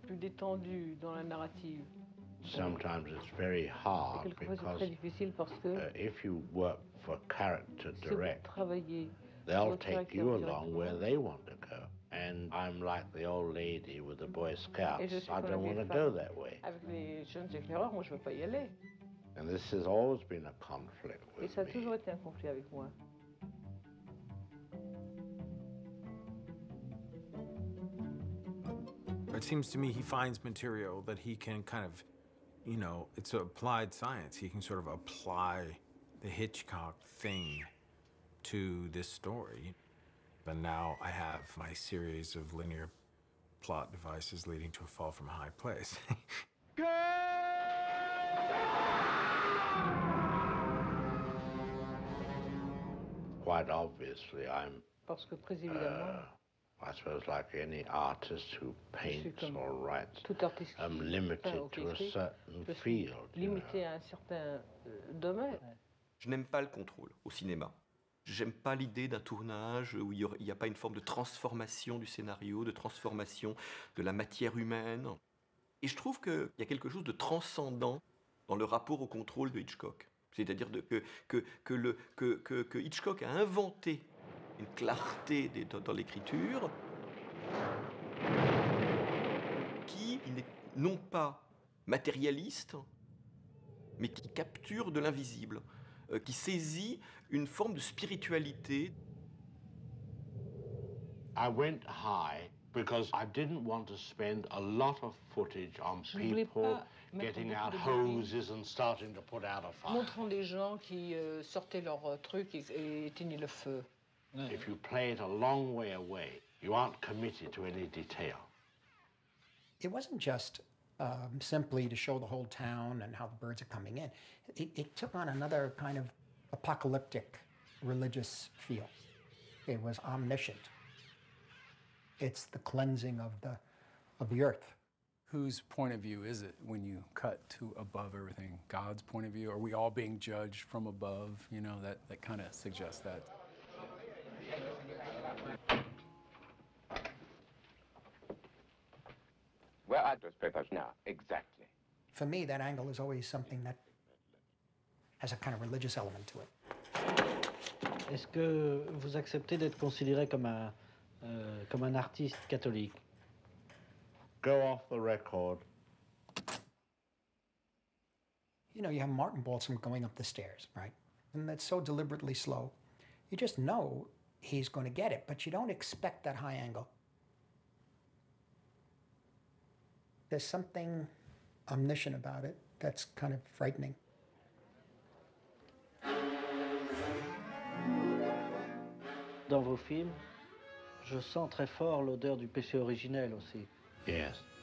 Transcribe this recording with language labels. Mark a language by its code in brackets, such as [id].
[fr] Plus détendue dans la narrative. [en] Sometimes it's very hard because if you work for character direct, they'll take you along where they want to go. And I'm like the old lady with the Boy Scouts. I don't want to go that way. [fr] Avec les jeunes éclaireurs, moi, je veux pas y aller. [en] And this has always been a conflict with me. [fr] Et ça a toujours été un conflit avec moi. [en] It seems to me he finds material that he can kind of, you know, it's applied science. He can sort of apply the Hitchcock thing to this story. But now I have my series of linear plot devices leading to a fall from a high place. Quite obviously, I'm... [fr] Parce que très évidemment. [en] I suppose, like any artist who paints or writes, I'm limited to a certain field. [fr] Limité à un certain domaine. Je n'aime pas le contrôle au cinéma. J'aime pas l'idée d'un tournage où il n'y a pas une forme de transformation du scénario, de transformation de la matière humaine. Et je trouve qu'il y a quelque chose de transcendant dans le rapport au contrôle de Hitchcock. C'est-à-dire que Hitchcock a inventé une clarté dans l'écriture qui n'est non pas matérialiste, mais qui capture de l'invisible, qui saisit une forme de spiritualité. [en] I went high because I didn't want to spend a lot of footage on people getting out hoses and starting to put out a fire. [fr] Montrant des gens qui sortaient leurs trucs et éteignaient le feu. [en] If you play it a long way away, you aren't committed to any detail. It wasn't just simply to show the whole town and how the birds are coming in. It took on another kind of apocalyptic religious feel. It was omniscient. It's the cleansing of the earth. Whose point of view is it when you cut to above everything? God's point of view? Are we all being judged from above? You know, that kind of suggests that. Where are those papers now, exactly? For me, that angle is always something that has a kind of religious element to it. [fr] Est-ce que vous acceptez d'être considéré comme un artiste catholique? [en] Go off the record. You know, you have Martin Balsam going up the stairs, right? And that's so deliberately slow. You just know he's going to get it, but you don't expect that high angle. There's something omniscient about it that's kind of frightening. [fr] Dans vos films, je sens très fort l'odeur du péché originel aussi. [en] Yes.